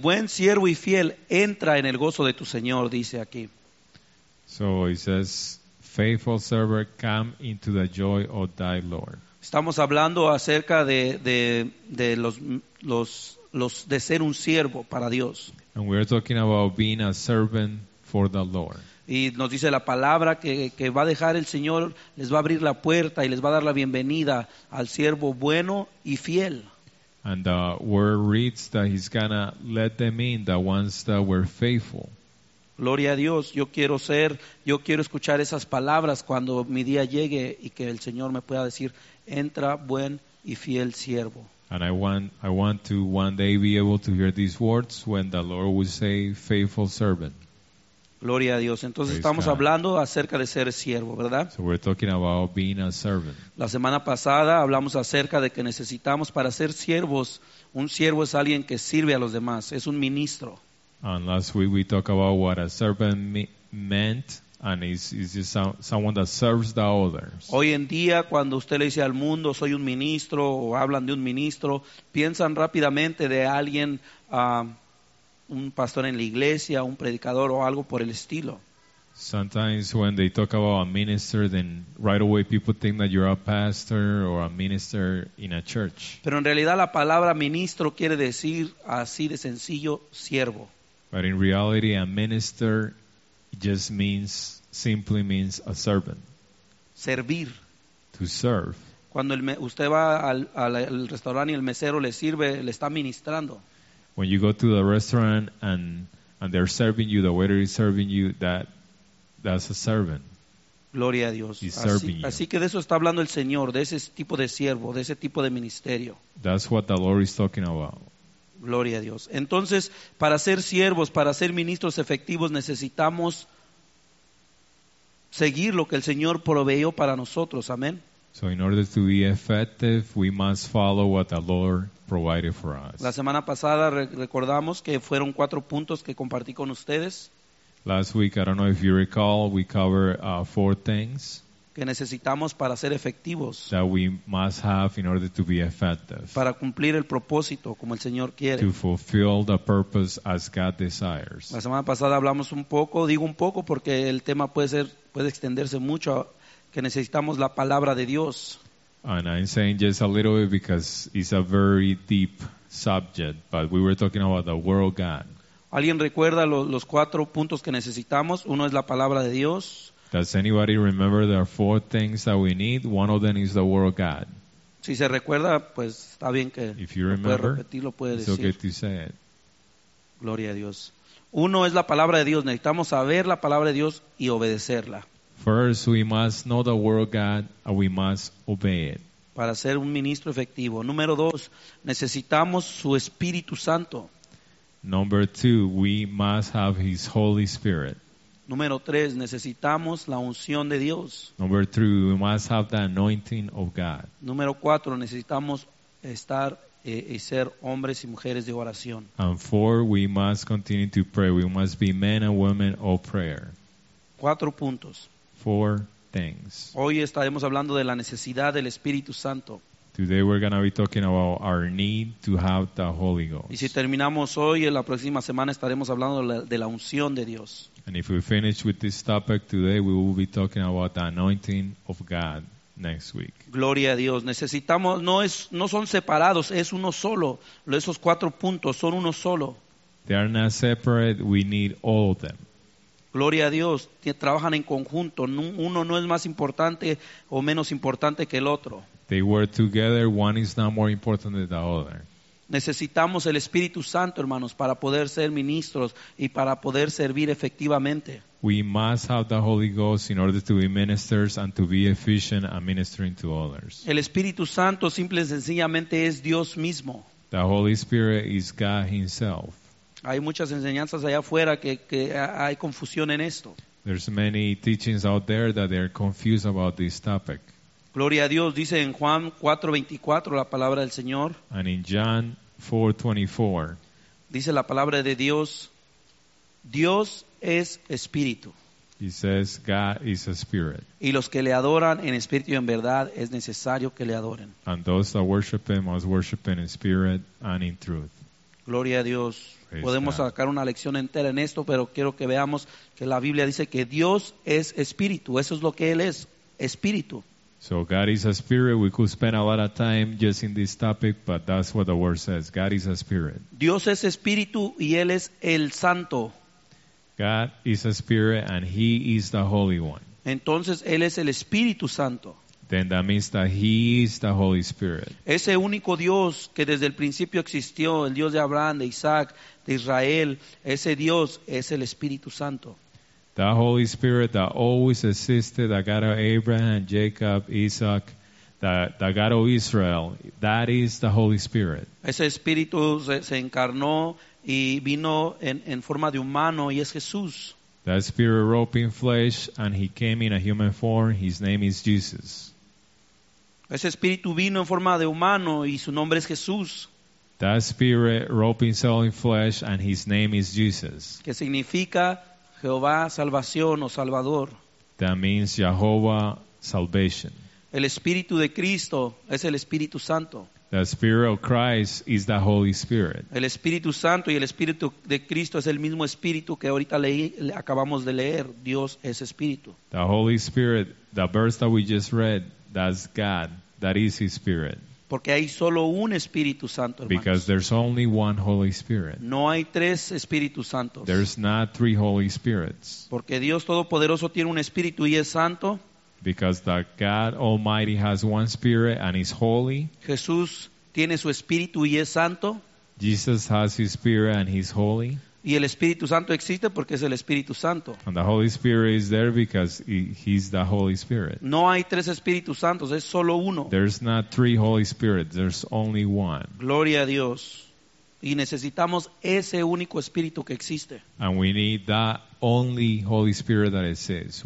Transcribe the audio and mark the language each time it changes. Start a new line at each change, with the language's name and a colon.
Spanish: Buen siervo y fiel, entra en el gozo de tu Señor, dice aquí.
English: So it says, faithful server, come into the joy of thy Lord.
Spanish: Estamos hablando acerca de los de ser un siervo para Dios.
English: And we're talking about being a servant for the Lord.
Spanish: Y nos dice la palabra que va a dejar el Señor, les va a abrir la puerta y les va a dar la bienvenida al siervo bueno y fiel.
English: And the word reads that he's gonna let them in, the ones that were faithful.
Spanish: Gloria a Dios, yo quiero escuchar esas palabras cuando mi día llegue y que el Señor me pueda decir, entra buen y fiel siervo.
English: And I want to one day be able to hear these words when the Lord will say, faithful servant.
Spanish: Gloria a Dios. Entonces
English: Praise
Spanish: estamos
English: God.
Spanish: Hablando acerca de ser siervo, ¿verdad?
English: So we're talking about being a servant.
Spanish: La semana pasada hablamos acerca de que necesitamos para ser siervos, un siervo es alguien que sirve a los demás, es un ministro.
English: And last week we talked about what a servant meant, and it's just someone that serves the others.
Spanish: Hoy en día cuando usted le dice al mundo, soy un ministro, o hablan de un ministro, piensan rápidamente de alguien... un pastor en la iglesia, un predicador o algo por el estilo.
English: Sometimes when they talk about a minister, then right away people think that you're a pastor or a minister in a church.
Spanish: Pero en realidad la palabra ministro quiere decir así de sencillo, siervo.
English: But in reality a minister just means, simply means a servant.
Spanish: Servir.
English: To serve.
Spanish: Cuando usted va al restaurante y el mesero le sirve, le está ministrando.
English: When you go to the restaurant and they're serving you, the waiter is serving you, that's a servant.
Spanish: Gloria a Dios.
English: He's serving you.
Spanish: Así que de eso está hablando el Señor, de ese tipo de siervo, de ese tipo de ministerio.
English: That's what the Lord is talking about.
Spanish: Gloria a Dios. Entonces, para ser siervos, para ser ministros efectivos, necesitamos seguir lo que el Señor proveyó para nosotros. Amén.
English: So in order to be effective, we must follow what the Lord provided for us.
Spanish: La semana pasada recordamos que fueron cuatro puntos que compartí con ustedes.
English: Last week, I don't know if you recall, we covered four things
Spanish: que necesitamos para ser efectivos.
English: That we must have in order to be effective.
Spanish: Para cumplir el propósito como el Señor quiere.
English: To fulfill the purpose as God desires.
Spanish: La semana pasada hablamos un poco, digo un poco porque el tema puede extenderse mucho. Que necesitamos la palabra de Dios.
English: And I'm saying just a little bit because it's a very deep subject, but we were talking about the word of God.
Spanish: ¿Alguien recuerda los cuatro puntos que necesitamos? Uno es la palabra de Dios.
English: Does anybody remember there are four things that we need? One of them is the word of God.
Spanish: Si se recuerda, pues está bien que
English: if you remember,
Spanish: lo puede repetir, lo puede
English: it's
Spanish: decir.
English: Okay to say it.
Spanish: Gloria a Dios. Uno es la palabra de Dios. Necesitamos saber la palabra de Dios y obedecerla.
English: First, we must know the word of God and we must obey it.
Spanish: Para ser un ministro efectivo. Número dos, necesitamos su Espíritu Santo.
English: Number two, we must have His Holy Spirit.
Spanish: Número tres, necesitamos la unción de Dios.
English: Number three, we must have the anointing of God.
Spanish: Número cuatro, necesitamos estar y ser hombres y mujeres de oración.
English: And four, we must continue to pray. We must be men and women of prayer.
Spanish: Cuatro puntos.
English: Four things.
Spanish: Hoy estaremos hablando de la necesidad del Espíritu Santo.
English: Today we're going to be talking about our need to have the Holy Ghost.
Spanish: Y si terminamos hoy, en la próxima semana estaremos hablando de la unción de Dios.
English: And if we finish with this topic today, we will be talking about the anointing of God next week.
Spanish: Gloria a Dios. Necesitamos, no son separados, es uno solo. Esos cuatro puntos son uno solo.
English: They are not separate, we need all of them.
Spanish: Gloria a Dios, trabajan en conjunto. Uno no es más importante o menos importante que el otro.
English: They work together, one is not more important than the other.
Spanish: Necesitamos el Espíritu Santo, hermanos, para poder ser ministros y para poder servir efectivamente.
English: We must have the Holy Ghost in order to be ministers and to be efficient at ministering to others.
Spanish: El Espíritu Santo simple y sencillamente es Dios mismo.
English: The Holy Spirit is God Himself.
Spanish: Hay muchas enseñanzas allá afuera que hay confusión en esto.
English: There's many teachings out there that they're confused about this topic.
Spanish: Gloria a Dios, dice en Juan 4:24 la palabra del Señor.
English: And in John 4:24.
Spanish: Dice la palabra de Dios, Dios es espíritu.
English: He says God is a spirit.
Spanish: Y los que le adoran en espíritu y en verdad es necesario que le adoren.
English: And those that worship Him must worship in spirit and in truth.
Spanish: Gloria a Dios. Podemos sacar una lección entera en esto, pero quiero que veamos que la Biblia dice que Dios es espíritu. Eso es lo que Él es, espíritu.
English: So God is a spirit. We could spend a lot of time just in this topic, but that's what the word says. God is a spirit.
Spanish: Dios es espíritu y Él es el santo.
English: God is a spirit and He is the Holy One.
Spanish: Entonces Él es el Espíritu Santo.
English: Then that means that He is the Holy Spirit.
Spanish: Ese único Dios que desde el principio existió, el Dios de Abraham, de Isaac, de Israel, ese Dios es el Espíritu Santo.
English: The Holy Spirit that always existed, the God of Abraham, Jacob, Isaac, the God of Israel, that is the Holy Spirit.
Spanish: Ese Espíritu se encarnó y vino en forma de humano y es Jesús.
English: That Spirit wrote in flesh and He came in a human form. His name is Jesus.
Spanish: Ese Espíritu vino en forma de humano y su nombre es Jesús.
English: That Spirit wrote Himself in flesh and His name is Jesus.
Spanish: Que significa Jehová salvación o salvador.
English: That means Jehovah salvation.
Spanish: El Espíritu de Cristo es el Espíritu Santo.
English: The Spirit of Christ is the Holy Spirit.
Spanish: El Espíritu Santo y el Espíritu de Cristo es el mismo Espíritu que ahorita acabamos de leer. Dios es Espíritu.
English: The Holy Spirit, the verse that we just read, that's God. That is His Spirit.
Spanish: Porque hay solo un Espíritu Santo, hermanos.
English: Because there's only one Holy Spirit.
Spanish: No hay tres Espíritus Santos.
English: There's not three Holy Spirits.
Spanish: Porque Dios Todopoderoso tiene un Espíritu y es Santo.
English: Because the God Almighty has one Spirit and is holy.
Spanish: Jesús tiene su Espíritu y es Santo.
English: Jesus has His Spirit and He's holy.
Spanish: Y el Espíritu Santo existe porque es el Espíritu Santo.
English: And the Holy Spirit is there because He's the Holy Spirit.
Spanish: No hay tres Espíritus Santos, es solo uno.
English: There's not three Holy Spirits, there's only one.
Spanish: Gloria a Dios. Y necesitamos ese único Espíritu que existe.
English: And we need that only Holy Spirit that exists.